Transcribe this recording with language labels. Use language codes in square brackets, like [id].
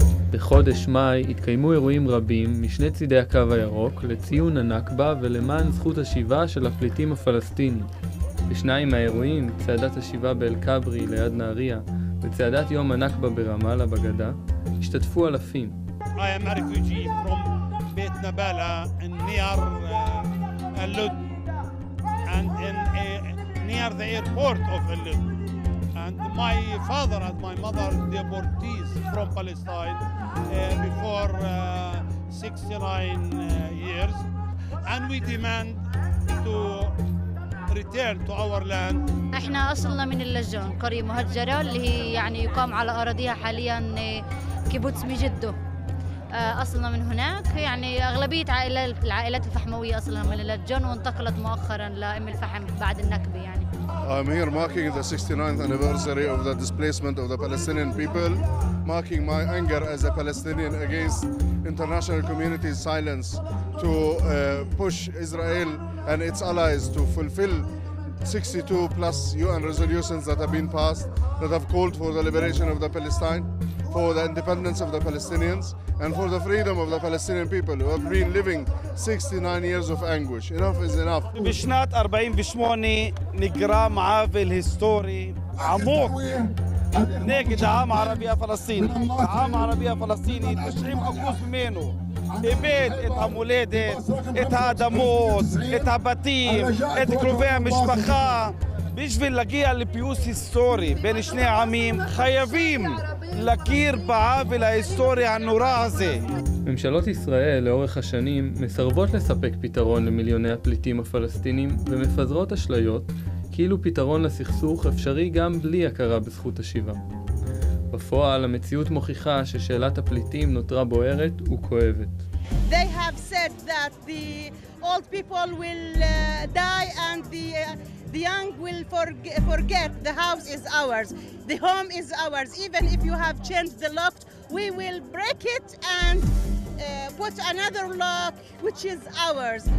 [he] בחודש מאי התקיימו אירועים רבים משני צידי הקו הירוק לציון הנכבה ולמען זכות השיבה של הפליטים הפלסטינים. בשניים מהאירועים, צעדת השיבה באל-קברי ליד נהריה וצעדת יום הנכבה ברמאללה בגדה, השתתפו אלפים. [en] I am a refugee from Beit Nabala near Lod and in near the airport of Lod. And my father and my mother deportees from Palestine before 69 years, and we demand to return to our land. [ar] احنا اصلنا من اللجان قريه مهجره اللي هي يعني يقام على اراضيها حاليا كيبوتس ميجدو اصلنا من هناك يعني اغلبيه العائلات الفحمويه اصلا من اللجان وانتقلت مؤخرا لام الفحم بعد النكبه يعني. [en] I'm here marking the 69th anniversary of the displacement of the Palestinian people, marking my anger as a Palestinian against international community's silence to push Israel and its allies to fulfill 62 plus UN resolutions that have been passed that have called for the liberation of the Palestine, for the independence of the Palestinians and for the freedom of the Palestinian people who have been living 69 years of anguish. Enough is enough. [he] בשנת 48 נגרם עוול היסטורי עמוק נגד העם הערבי הפלסטיני. העם הערבי הפלסטיני 90% ממנו איבד את המולדת, את האדמות, את הבתים, את קרובי המשפחה. בשביל להגיע לפיוס היסטורי בין שני העמים, חייבים להכיר בעוול ההיסטורי הנורא הזה. ממשלות ישראל לאורך השנים מסרבות לספק פתרון למיליוני הפליטים הפלסטינים ומפזרות אשליות כאילו פתרון לסכסוך אפשרי גם בלי הכרה בזכות השיבה. בפועל המציאות מוכיחה ששאלת הפליטים נותרה בוערת וכואבת. [en] They have said that the old people will die and the young will forget the house is ours, the home is ours. Even if you have changed the lock, we will break it and put another lock which is ours.